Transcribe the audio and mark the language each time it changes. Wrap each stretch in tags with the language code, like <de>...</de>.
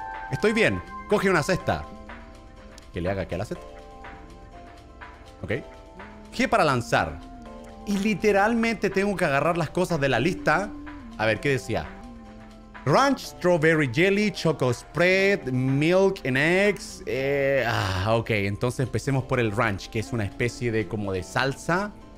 <es>Estoy bien, coge una cesta. ¿Qué le haga aquí a la cesta? Ok. G para lanzar. Y literalmente tengo que agarrar las cosas de la lista. A ver, ¿qué decía?</es> <en>Ranch, strawberry jelly, choco spread, milk and eggs.</en> <es>Ok, entonces empecemos por el ranch, que es una especie de como de salsa.</es>